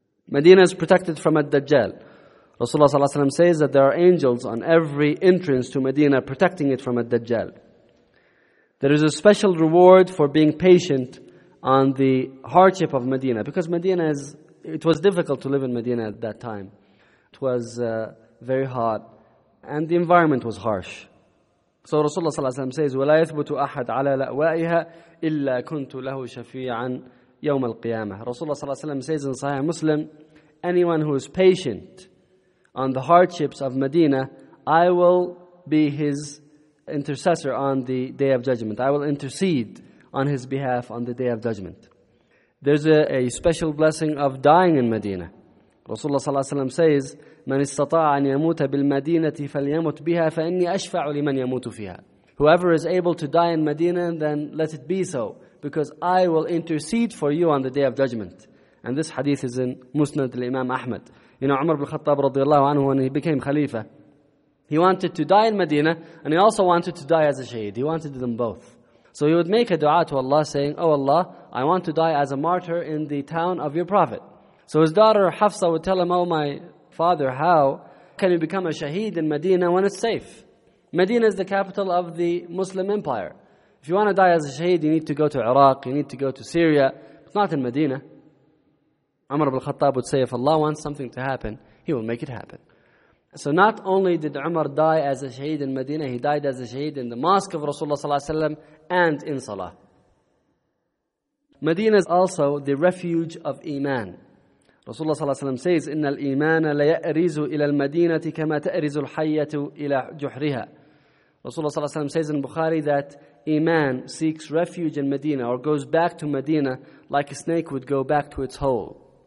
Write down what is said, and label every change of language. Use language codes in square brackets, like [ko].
[en] Medina is protected from Ad-Dajjal. Rasulullah sallallahu alayhi salam says that there are angels on every entrance to Medina protecting it from Ad-Dajjal. There is a special reward for being patient on the hardship of Medina, because Medina is, it was difficult to live in Medina at that time. It was very hot and the environment was harsh. So Rasulullah sallallahu alayhi wa sallam says, [ar] وَلَا يَثْبُتُ أَحَدْ عَلَى لَأْوَائِهَا إِلَّا كُنْتُ لَهُ شَفِيعًا يَوْمَ الْقِيَامَةِ. [en] Rasulullah sallallahu alayhi wa sallam says in Sahih Muslim, anyone who is patient on the hardships of Medina, I will be his intercessor on the Day of Judgment. I will intercede on his behalf on the Day of Judgment. There's a special blessing of dying in Medina. Rasulullah sallallahu alayhi wa sallam says, [ar] مَنِ اسْتَطَاعَ أَنْ يَمُوتَ بِالْمَدِينَةِ فَلْيَمُوتُ بِهَا فَإِنِّي أَشْفَعُ لِمَنْ يَمُوتُ فِيهَا. [en] Whoever is able to die in Medina, then let it be so, because I will intercede for you on the Day of Judgment. And this hadith is in Musnad al-Imam Ahmad. You know, Umar bin Khattab radiallahu anhu, when he became Khalifa, he wanted to die in Medina, and he also wanted to die as a shaheed. He wanted them both. So he would make a dua to Allah saying, Oh Allah, I want to die as a martyr in the town of your prophet. So his daughter Hafsa would tell him, Oh my father, how can you become a shaheed in Medina when it's safe? Medina is the capital of the Muslim empire. If you want to die as a shaheed, you need to go to Iraq, you need to go to Syria, but not in Medina. Umar ibn Khattab would say, If Allah wants something to happen, He will make it happen. So not only did Umar die as a shaheed in Medina, he died as a shaheed in the mosque of Rasulullah sallallahu alayhi wa sallam and in Salah. Medina is also the refuge of Iman. Rasulullah sallallahu alayhi wa sallam says, [ar] إِنَّ الْإِيمَانَ لَيَأْرِزُ إِلَى الْمَدِينَةِ كَمَا تَأْرِزُ الْحَيَّةُ إِلَى جُحْرِهَا. [en] Rasulullah sallallahu alayhi wa sallam says in Bukhari that Iman seeks refuge in Medina or goes back to Medina like a snake would go back to its hole.